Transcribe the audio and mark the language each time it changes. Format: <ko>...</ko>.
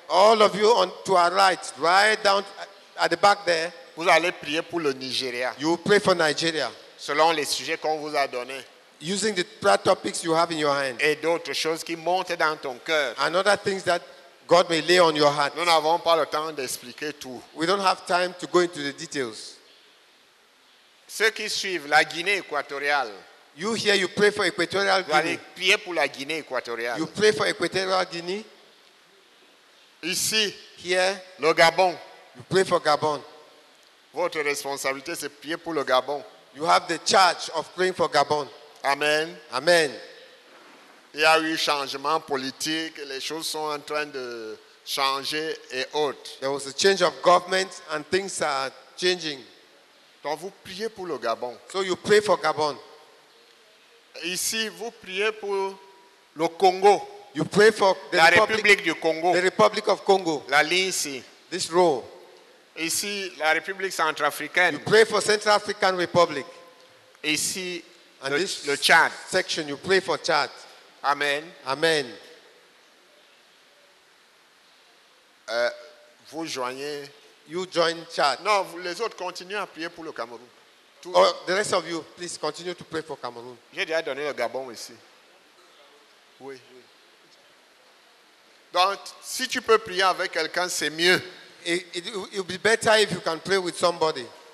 <en>All of you on to our right, right down at the back there.</en> <fr>Vous allez prier pour le Nigeria.</fr> <en>You pray for Nigeria.</en> <fr>Selon les sujets qu'on vous a donnés.</fr> <en>Using the prayer topics you have in your hand.</en> <fr>Et d'autres choses qui montent dans ton cœur.</fr> <en>And other things that God may lay on your heart.</en> <fr>Nous n'avons pas le temps d'expliquer tout.</fr> <en>We don't have time to go into the details.</en> <fr>Ceux qui suivent la Guinée équatoriale.</fr> <en>You here, you pray for Equatorial Guinea.</en> <fr>Vous allez prier pour la Guinée équatoriale.</fr> <en>You pray for Equatorial Guinea.</en> <fr>Ici.</fr> <en>Here.</en> <fr>Le Gabon.</fr> <en>You pray for Gabon.</en> <fr>Votre responsabilité, c'est prier pour le Gabon.</fr> <en>You have the charge of praying for Gabon. Amen. Amen.</en> <fr>Il y a eu changement politique, les choses sont en train de changer et autres.</fr> <en>There was a change of government and things are changing.</en> <fr>Donc vous priez pour le Gabon.</fr> <en>So you pray for Gabon.</en> <fr>Ici, vous priez pour le Congo.</fr> <en>You pray for the</en> <fr>la République du Congo.</fr> <en>The Republic of Congo.</en> <fr>La ligne ici.</fr> <en>This row.</en> <fr>Ici, la République centrafricaine.</fr> <en>You pray for Central African Republic.</en> <fr>Ici, and le Tchad.</fr> <en>Section, you pray for Tchad. Amen. Amen.</en> <fr>Vous joignez.</fr> <en>You join Tchad.</en> <fr>Non, les autres continuent à prier pour le Cameroun.</fr> <en>Tout oh, the rest of you, please continue to pray for Cameroun.</en> <fr>J'ai déjà donné le Gabon ici. Oui. Donc, si tu peux prier avec quelqu'un, c'est mieux.</fr> <en>It will be better if you can pray with somebody.</en>